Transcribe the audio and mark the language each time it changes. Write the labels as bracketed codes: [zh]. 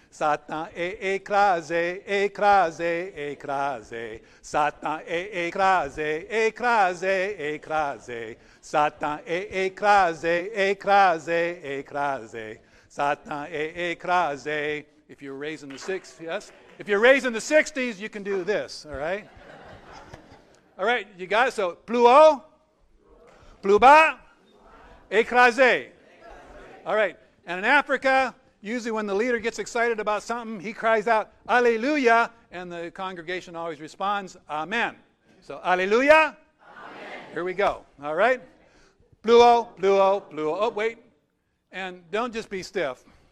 [fr] Satan est écrasé, écrasé, écrasé. Satan est écrasé, écrasé, écrasé. Satan est écrasé, écrasé, écrasé. Satan est écrasé. [en] If you're raising the six, yes? If you're raising the 60s, you can do this, all right? All right, you got it? So, [fr] plus haut, plus bas, écrasé. [en] All right, and in Africa, usually when the leader gets excited about something, he cries out, Alleluia, and the congregation always responds, Amen. So, Alleluia, Amen. Here we go, all right? [fr] Plus haut, plus haut, plus haut. [en] Oh, wait, and don't just be stiff.